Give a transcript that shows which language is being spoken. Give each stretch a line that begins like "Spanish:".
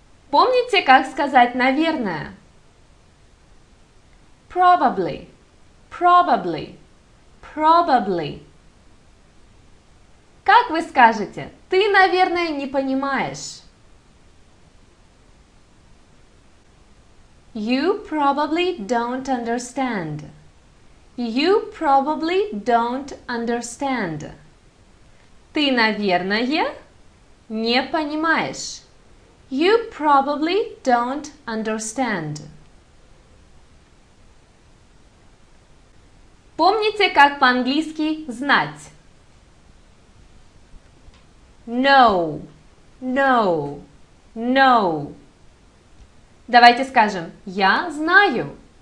Russian: Помните, как сказать наверное?
English: Probably. Probably. Probably.
Russian: Как вы скажете? Ты, наверное, не понимаешь.
English: You probably don't understand. You probably don't understand.
Russian: Ты, наверное, не понимаешь.
English: You probably don't understand.
Russian: Помните, как по-английски знать?
English: Know. Know. Know.
Russian: Давайте скажем «Я знаю».